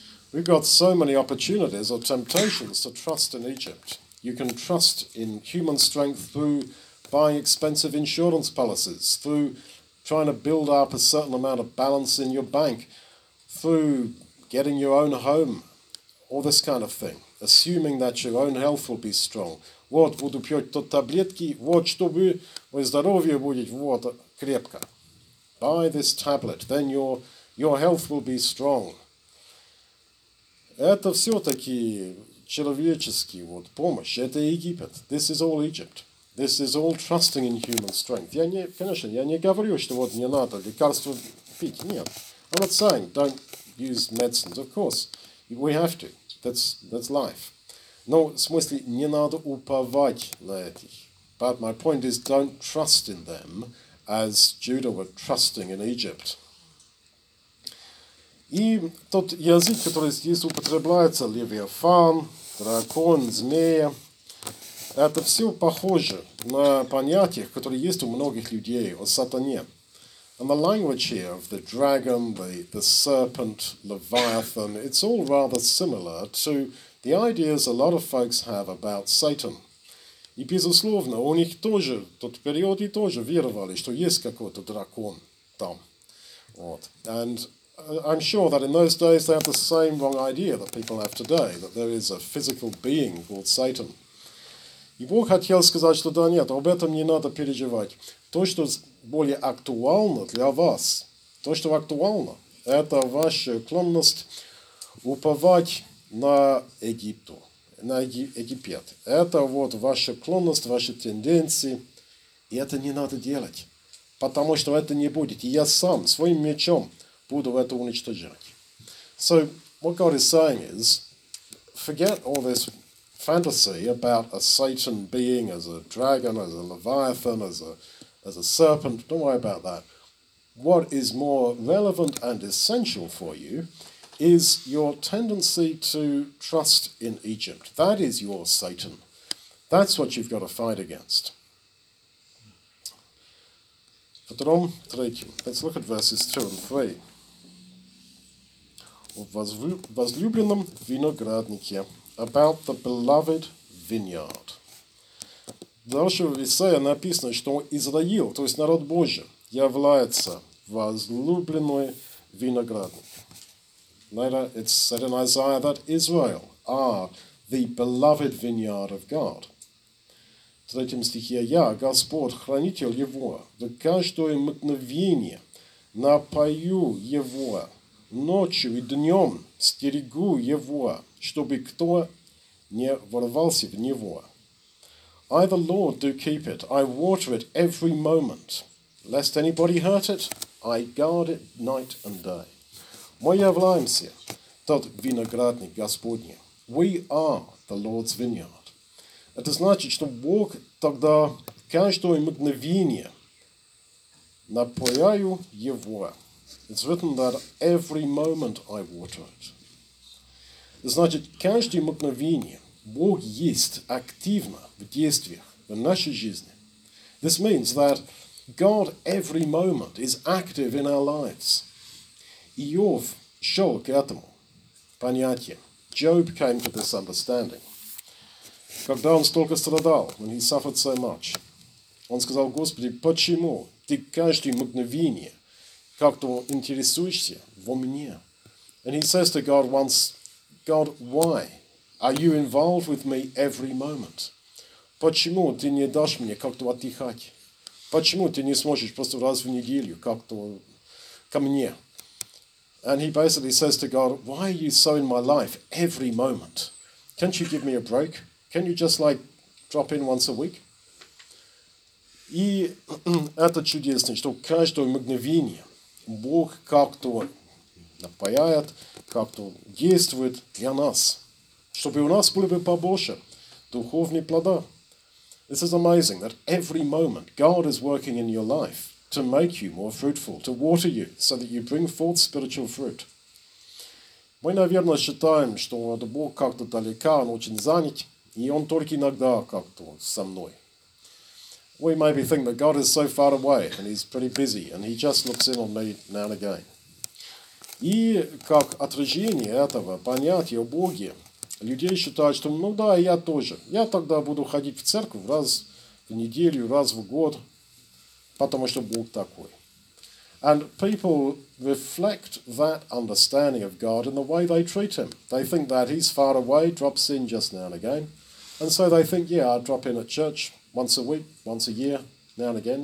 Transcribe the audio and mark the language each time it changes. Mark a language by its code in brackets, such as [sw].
[en] We've got so many opportunities or temptations to trust in Egypt. You can trust in human strength through buying expensive insurance policies, through trying to build up a certain amount of balance in your bank, through getting your own home, all this kind of thing, assuming that your own health will be strong. [ru] Вот, буду пить таблетки, вот, чтобы здоровье будет, вот, крепко. [en] Buy this tablet, then your health will be strong. [ru] Это все-таки человеческий вот помощь. Это Египет. [en] This is all Egypt. This is all trusting in human strength. [ru] Я не говорю, что вот не надо лекарства пить. Нет. [en] I'm not saying don't use medicines. Of course, we have to. That's life. [ru] Но в смысле не надо уповать на этих. [en] But my point is don't trust in them, as Judah were trusting in Egypt. [ru] И тот язык, который здесь употребляется, Левиафан, дракон, змея, это все похоже на понятия, которые есть у многих людей о сатане. [en] And the language here of the dragon, the serpent, Leviathan, it's all rather similar to the ideas a lot of folks have about Satan. [ru] И, безусловно, у них тоже, в тот период, и тоже веровали, что есть какой-то дракон там. Вот. [en] And I'm sure that in those days they have the same wrong idea that people have today, that there is a physical being called Satan. [ru] И Бог хотел сказать, что да, нет, об этом не надо переживать. То, что более актуально для вас, то, что актуально, это ваша склонность уповать на Египту. На Египет. Это вот ваша склонность, ваши тенденции. И это не надо делать. Потому что это не будет. И я сам своим мечом буду это уничтожать. [en] So, what God is saying is, forget all this fantasy about a Satan being as a dragon, as a leviathan, as a serpent. Don't worry about that. What is more relevant and essential for you is your tendency to trust in Egypt. That is your Satan. That's what you've got to fight against. Let's look at verses 2 and 3. [ru] Возлюбленном винограднике, [en] about the beloved vineyard. [ru] Дальше в Исаии написано, что Израил, то есть народ Божий, является возлюбленной виноградник. [en] Later it's said in Isaiah that Israel are the beloved vineyard of God. [ru] В третьем стихе я, Господь, хранитель его, в каждое мгновение напою его. Ночью и днем стерегу его, чтобы кто не ворвался в него. [en] I, the Lord, do keep it. I water it every moment. Lest anybody hurt it, I guard it night and day. [ru] Мы являемся тот виноградник Господний. [en] We are the Lord's vineyard. [ru] Это значит, что Бог тогда каждое мгновение напояю его. [en] It's written that every moment I water it. [ru] Значит, каждое мгновение Бог есть активно в действиях в нашей жизни. [en] This means that God every moment is active in our lives. [ru] Иов шел к этому понятию. [en] Job came to this understanding. [ru] Когда он столько страдал, [en] when he suffered so much, [ru] он сказал, Господи, почему ты каждое мгновение как-то интересуешься во мне? [en] And he says to God once, God, why are you involved with me every moment? [ru] Почему ты не дашь мне как-то отдыхать? Почему ты не сможешь просто раз в неделю как-то ко мне? [en] And he basically says to God, why are you so in my life every moment? Can't you give me a break? Can you just like drop in once a week? [ru] И это чудесно, что каждое мгновение Бог как-то напояет, как-то действует для нас, чтобы у нас были бы побольше духовных плодов. [en] This is amazing that every moment God is working in your life to make you more fruitful, to water you, so that you bring forth spiritual fruit. [ru] Мы, наверное, считаем, что Бог как-то далека, он очень занят, и он только иногда как-то со мной. [en] We maybe think that God is so far away and he's pretty busy and he just looks in on me now and again. [ru] И как отражение этого понятия о Боге, людей считают, что ну да, я тоже. Я тогда буду ходить в церковь раз в неделю, раз в год, потому что Бог такой. [en] And people reflect that understanding of God in the way they treat him. They think that he's far away, drops in just now and again. And so they think, yeah, I'll drop in at church. Once a week, once a year, now and again.